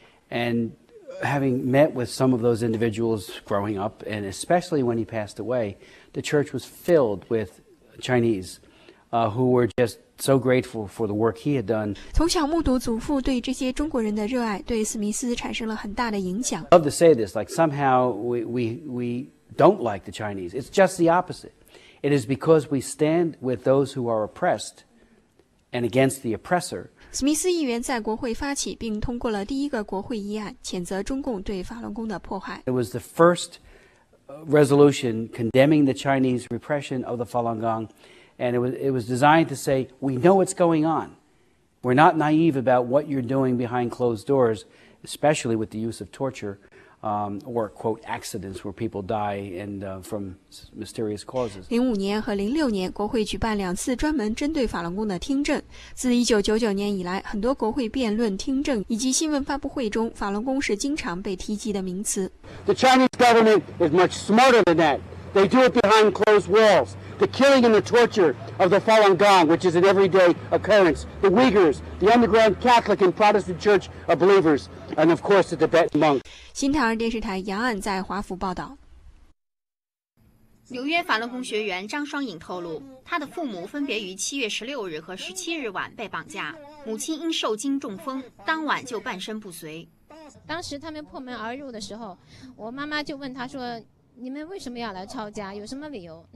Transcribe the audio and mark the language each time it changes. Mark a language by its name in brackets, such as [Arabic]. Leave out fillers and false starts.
[English] And having met with some of those individuals growing up, and especially when he passed away, the church was filled with Chinese, who were just so grateful for the work he had done. [Chinese] 从小目睹祖父对这些中国人的热爱，对史密斯产生了很大的影响。 [English] I love to say this, like somehow we don't like the Chinese. It's just the opposite. It is because we stand with those who are oppressed. And against the oppressor. [Chinese] 史密斯议员在国会发起并通过了第一个国会议案，谴责中共对法轮功的迫害。 [English] It was the first resolution condemning the Chinese repression of the Falun Gong, and it was designed to say, we know what's going on. We're not naive about what you're doing behind closed doors, especially with the use of torture. Or quote accidents where people die and from mysterious causes. [Chinese] 2005年和2006年，国会举办两次专门针对法轮功的听证。自1999年以来，很多国会辩论、听证以及新闻发布会中，法轮功是经常被提及的名词。 [English] The Chinese government is much smarter than that. They do it behind closed walls. The killing and the torture of the Falun Gong, which is an everyday occurrence. The Uyghurs, the underground Catholic and Protestant Church of believers, and of course the Tibetan monks. [Chinese] 新唐人电视台杨岸在华府报道。纽约法轮功学员张双颖透露，他的父母分别于7月16日和17日晚被绑架，母亲因受惊中风，当晚就半身不遂。当时他们破门而入的时候，我妈妈就问他说，你们为什么要来抄家，有什么理由？